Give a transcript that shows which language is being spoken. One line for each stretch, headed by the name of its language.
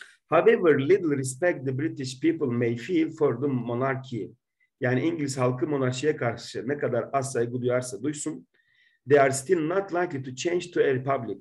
English: However little respect the British people may feel for the monarchy.
Turkish: Yani İngiliz halkı monarşiye karşı ne kadar az saygı duyarsa duysun.
English: They are still not likely to change to a republic.